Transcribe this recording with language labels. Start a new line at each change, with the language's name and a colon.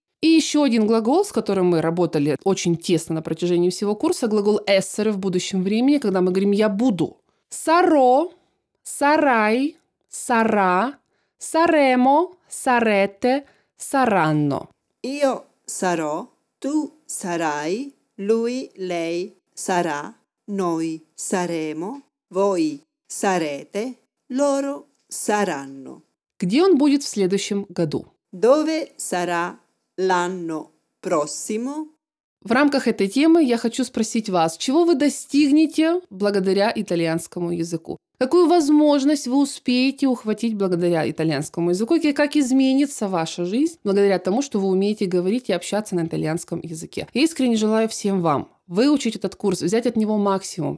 Russian: И еще один глагол, с которым мы работали очень тесно на протяжении всего курса, глагол essere в будущем времени, когда мы говорим «я буду».
Italian: Sarò, sarai, sarà, saremo, sarete, saranno. Io sarò, tu sarai, lui, lei sarà, noi saremo, voi sarete, loro saranno.
Russian: Где он будет в следующем году?
Italian: Dove sarà l'anno prossimo?
Russian: В рамках этой темы я хочу спросить вас, чего вы достигнете благодаря итальянскому языку? Какую возможность вы успеете ухватить благодаря итальянскому языку? И как изменится ваша жизнь благодаря тому, что вы умеете говорить и общаться на итальянском языке? Я искренне желаю всем вам выучить этот курс, взять от него максимум.